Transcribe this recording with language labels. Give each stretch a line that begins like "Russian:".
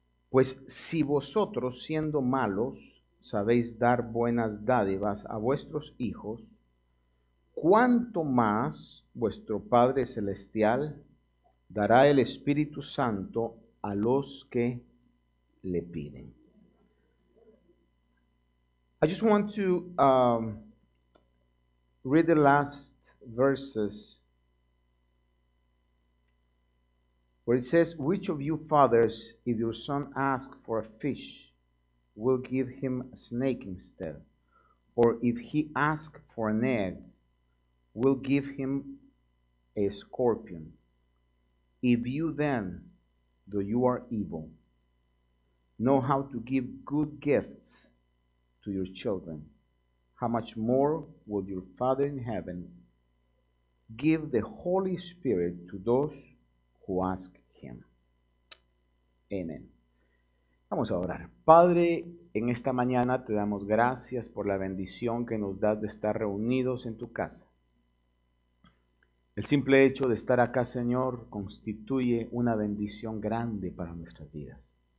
Spanish: Pues si vosotros, siendo malos, sabéis dar buenas dádivas a vuestros hijos, ¿cuánto más vuestro Padre Celestial dará el Espíritu Santo a los que le piden?
English: I just want to read the last verses where it says, which of you fathers, if your son asks for a fish, will give him a snake instead? Or if he asks for an egg, will give him a scorpion? If you then, though you are evil, know how to give good gifts to your children, how much more will your Father in heaven give the Holy Spirit to those who ask him?
Spanish: Amen. Vamos a orar. Padre, en esta mañana te damos gracias por la bendición que nos das de estar reunidos en tu casa. El simple hecho de estar acá, Señor, constituye una bendición grande para nuestras vidas.